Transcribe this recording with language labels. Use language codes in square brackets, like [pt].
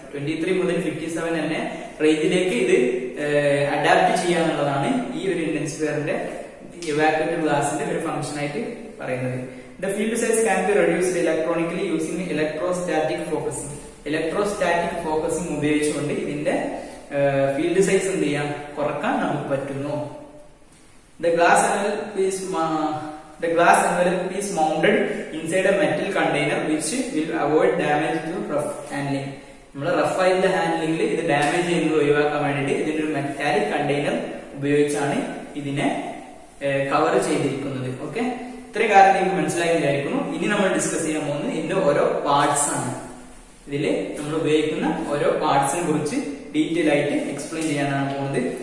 [ml] 23 മുതൽ 57 എന്നെ റേഞ്ചിലേക്ക് ഇത് അഡാപ്റ്റ് ചെയ്യാന്നുള്ളതാണ് ഈ ഒരു ഇന്റൻസിഫയറിന്റെ ഇവാക്വേറ്റഡ് ഗ്ലാസിന്റെ ഒരു ഫംഗ്ഷൻ ആയിട്ട് പറയുന്നത്. [en] The field size can be reduced electronically using electrostatic focusing. [ml] Electrostatic focusing ഉപയോഗിച്ചുകൊണ്ട് ഇതിന്റെ ഫീൽഡ് സൈസ് എന്ത് ചെയ്യാം, കുറക്കാൻ നമുക്ക് പറ്റുന്നു. [en] The glass envelope is The glass envelope is mounted inside a metal container which will avoid damage to rough handling. [ml] നമ്മൾ rough ആയിട്ട് handling ഇത് ഡാമേജ് ചെയ്യുന്നത് ഒഴിവാക്കാൻ വേണ്ടിയിട്ട് ഇതിന്റെ ഒരു മെറ്റാലിക് കണ്ടെയ്നർ ഉപയോഗിച്ചാണ് ഇതിനെ കവർ ചെയ്തിരിക്കുന്നത്. ഓക്കെ, ഇത്രയും കാര്യം നിങ്ങൾക്ക് മനസ്സിലായില്ലായിരിക്കുന്നു. ഇനി നമ്മൾ ഡിസ്കസ് ചെയ്യാൻ പോകുന്നത് ഇതിന്റെ ഓരോ പാർട്സ് ആണ്. ഇതിൽ നമ്മൾ ഉപയോഗിക്കുന്ന ഓരോ പാർട്സിനെ കുറിച്ച് ഡീറ്റെയിൽ ആയിട്ട് എക്സ്പ്ലെയിൻ ചെയ്യാനാണ് പോകുന്നത്.